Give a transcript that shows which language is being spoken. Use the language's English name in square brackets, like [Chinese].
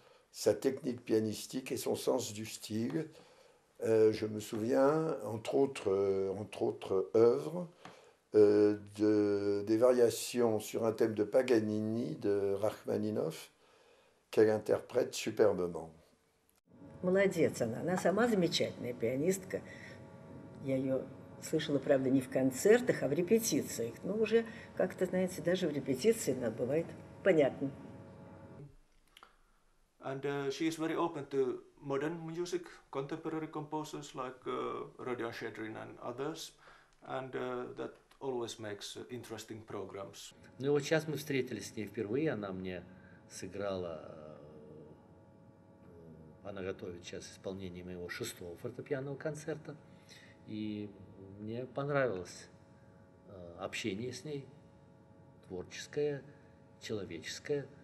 [French] sa technique pianistique et son sens du style. Je me souviens, entre autres œuvres, des variations sur un thème de Paganini de Rachmaninov, qu'elle interprète superbement. [Russian] Молодец она, она сама замечательная пианистка. Я ее слышала, правда, не в концертах, а в репетициях. Но уже как-то, знаете, даже в репетиции она бывает понятно. [English] And she is very open to modern music, contemporary composers like Rodion Shedrin and others, and that always makes interesting programs. [Russian] Ну и вот сейчас мы встретились с ней впервые, она мне сыграла. Она готовит сейчас исполнение моего 6-го фортепианного концерта. И мне понравилось общение с ней, творческое, человеческое.